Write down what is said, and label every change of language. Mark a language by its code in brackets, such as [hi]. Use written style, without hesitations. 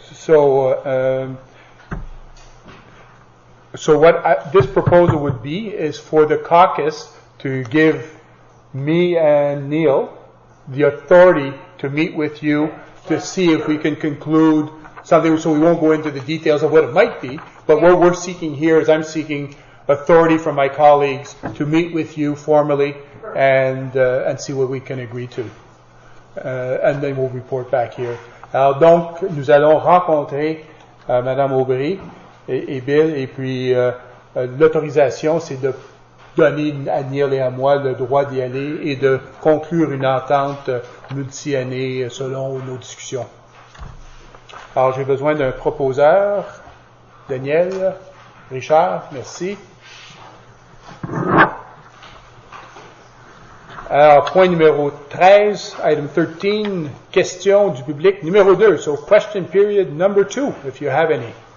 [en] So, this proposal would be is for the caucus to give me and Neil the authority to meet with you to see if we can conclude something, so we won't go into the details of what it might be, but what we're seeking here is I'm seeking authority from my colleagues to meet with you formally and see what we can agree to. And then we'll report back here. [fr] Alors, donc, nous allons rencontrer Mme Aubry et Bill, et puis l'autorisation, c'est de donner à Neil et à moi le droit d'y aller et de conclure une entente multi-année selon nos discussions. Alors, j'ai besoin d'un proposeur. Daniel, Richard, merci. Alors, point numéro 13, item 13, question du public numéro 2. [en] So, question period number 2, if you have any.